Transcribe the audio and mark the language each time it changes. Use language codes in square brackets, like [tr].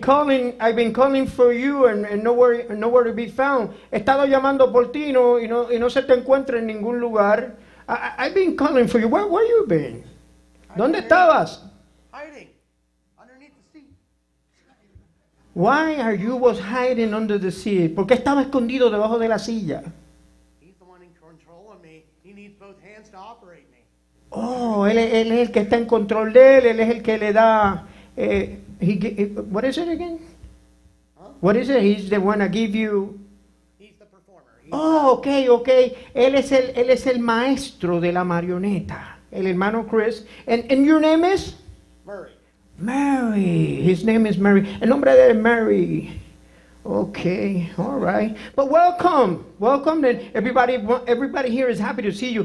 [en] I've been calling for you and nowhere to be found. [es] He estado llamando por ti y no se te encuentra en ningún lugar. [en] I've been calling for you. Where you been? [es] ¿Dónde estabas? [en] Hiding underneath the seat. Why are you was hiding under the seat? [es] ¿Por qué estaba escondido debajo de la silla? [en] He's the one in control of me. He needs both hands to operate me. [es] Oh, él es el que está en control de él. Él es el que le da. [en] What is it again? Huh? What is it? He's the one that give you. He's the performer. [es] Okay. Él es el maestro de la marioneta. El hermano Chris. [en] And your name is? Murray. Mary. His name is Mary. [es] El nombre de Mary. [en] Okay, all right. But welcome. Welcome. And everybody here is happy to see you.